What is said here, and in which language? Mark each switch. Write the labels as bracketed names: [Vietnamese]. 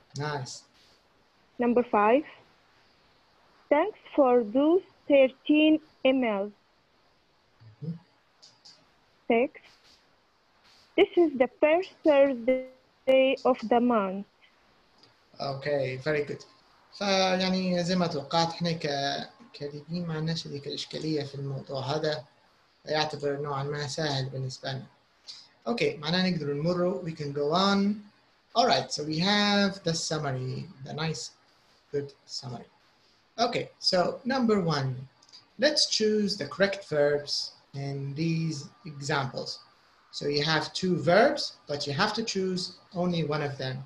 [English] Nice. Number five. Thanks for those 13 emails. Six. This is the first Thursday of the month. Okay, very good. [Arabic] فيعني زي ما توقعت احنا ككاتبين ما عندناش هذيك الإشكالية في الموضوع هذا يعتبر نوعا ما سهل بالنسبة لنا. [English] Okay, [Arabic] معنا نقدر نمر, [English] we can go on. All right, so we have the summary, the nice, good summary. Okay, so number one, let's choose the correct verbs in these examples. So you have two verbs, but you have to choose only one of them.